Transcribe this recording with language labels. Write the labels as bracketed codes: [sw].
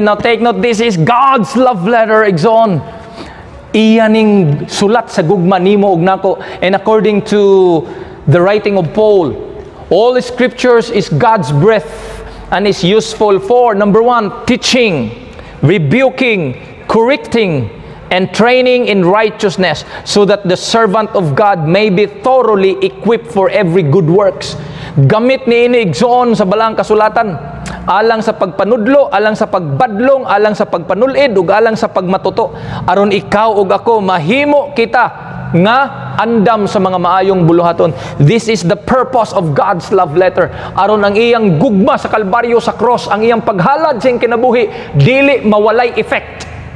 [en] Now take note, this is God's love letter, Ixon. [ceb] Iyaning sulat sa gugma nimo ug nako, [en] and according to the writing of Paul, all scriptures is God's breath and is useful for, number one, teaching, rebuking, correcting, and training in righteousness, so that the servant of God may be thoroughly equipped for every good works. [ceb] Gamit niini igsoon sa balang kasulatan alang sa pagpanudlo, alang sa pagbadlong, alang sa pagpanulid, ug alang sa pagmatuto, aron ikaw ug ako mahimo kita nga andam sa mga maayong buluhaton. [en] This is the purpose of God's love letter. [ceb] Aron ang iyang gugma sa Kalbaryo, sa cross, ang iyang paghalad sa kinabuhi, dili mawalay effect.